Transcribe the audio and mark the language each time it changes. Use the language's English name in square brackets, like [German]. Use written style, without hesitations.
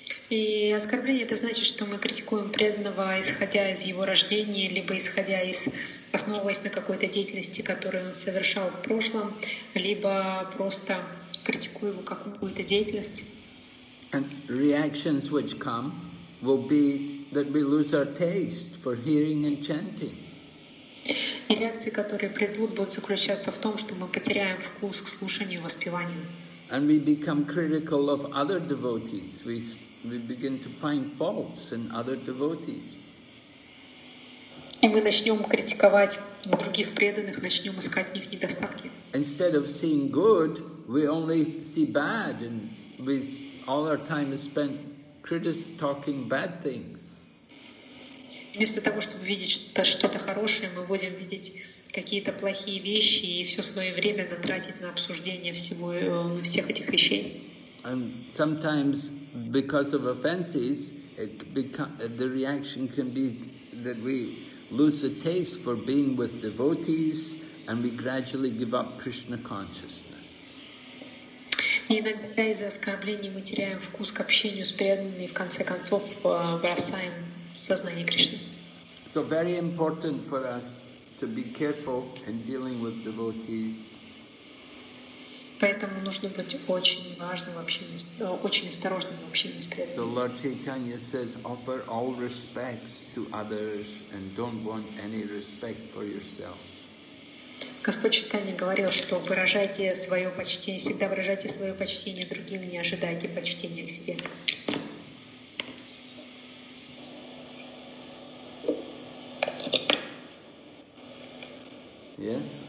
[Russian] И оскорбление — это значит, что мы критикуем преданного, исходя из его рождения, либо исходя из основываясь на какой-то деятельности, которую он совершал в прошлом, либо просто критикуя его как какую-то деятельность. [English] And reactions which come will be that we lose our taste for hearing and chanting. [Russian] И реакции, которые придут, будут заключаться в том, что мы потеряем вкус к слушанию и воспеванию. [English] And we become critical of other devotees. We begin to find faults in other devotees. [Russian] И мы начнем критиковать других преданных, начнем искать в них недостатки. [English] Instead of seeing good, we only see bad, and we all our time is spent talking bad things. [Russian] Вместо того, чтобы видеть что-то хорошее, мы будем видеть какие-то плохие вещи и все свое время тратить на обсуждение всего всех этих вещей. [English] And sometimes, because of offenses, the reaction can be that we lose the taste for being with devotees, and we gradually give up Krishna consciousness. [Russian] И иногда из-за оскорблений мы теряем вкус к общению с преданными, и в конце концов бросаем сознание Кришны. [English] So very important for us to be careful in dealing with devotees. [Russian] Поэтому нужно быть очень важным в общении, очень осторожным в общении с преданными. [English] So Lord Chaitanya says, offer all respects to others and don't want any respect for yourself. [Russian] Господь Чайтанья говорил, что выражайте свое почтение, всегда выражайте свое почтение другим, не ожидайте почтения к себе. [English] Yes?